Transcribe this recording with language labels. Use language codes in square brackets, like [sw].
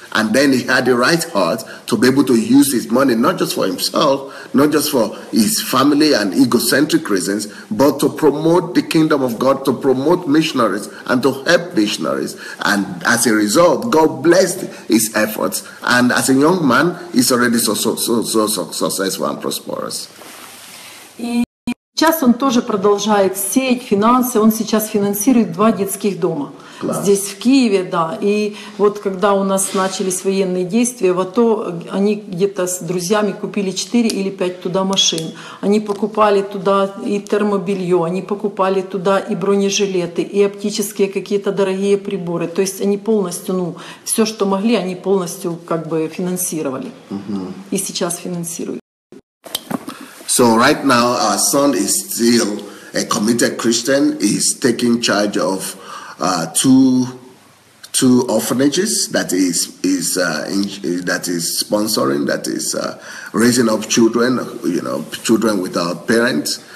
[en] And then he had the right heart to be able to use his money, not just for himself, not just for his family and egocentric reasons, but to promote the kingdom of God, to promote missionaries and to help missionaries. And as a result, God blessed his efforts. And as a young man, he's already so successful and prosperous. [ru] Сейчас он тоже продолжает сеять финансы. Он сейчас финансирует два детских дома. Класс. Здесь, в Киеве, да. И вот когда у нас начались военные действия, в АТО они где-то с друзьями купили 4 или 5 туда машин. Они покупали туда и термобелье, они покупали туда и бронежилеты, и оптические какие-то дорогие приборы. То есть они полностью, ну, все, что могли, они полностью как бы финансировали. Угу. И сейчас финансируют. [en] So right now, our son is still a committed Christian. He's taking charge of two orphanages that is sponsoring, that is raising up children, you know, children without parents.